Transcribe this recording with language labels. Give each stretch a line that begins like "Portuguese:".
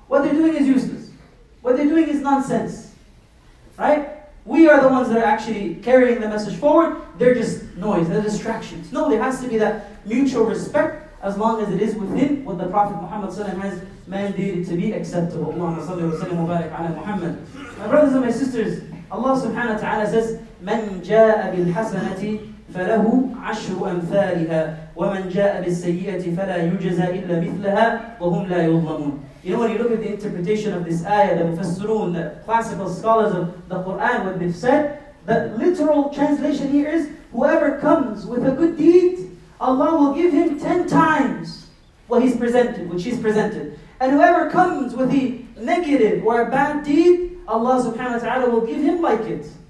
English: What they're doing is useless. What they're doing is nonsense, right? We are the ones that are actually carrying the message forward. They're just noise, they're distractions. No, there has to be that mutual respect as long as it is within what the Prophet Muhammad has mandated to be acceptable.
Arabic: Allahumma salli wa sallim wa barik ala Muhammad.
English: My brothers and my sisters, Allah subhanahu wa ta'ala says,
Arabic: مَنْ جَاءَ بِالْحَسَنَةِ فَلَهُ عَشْرُ أَمْثَالِهَا وَمَنْ جَاءَ بِالسَّيِّئَةِ فَلَا يُجَزَى إِلَّا مِثْلَهَا وَهُمْ لَا يُظْلَمُونَ.
English: You know, when you look at the interpretation of this ayah, the Mufassirun, the classical scholars of the Quran, what they've said, the literal translation here is, whoever comes with a good deed, Allah will give him 10 times what he's presented, which he's presented. And whoever comes with a negative or a bad deed, Allah subhanahu wa ta'ala will give him like it.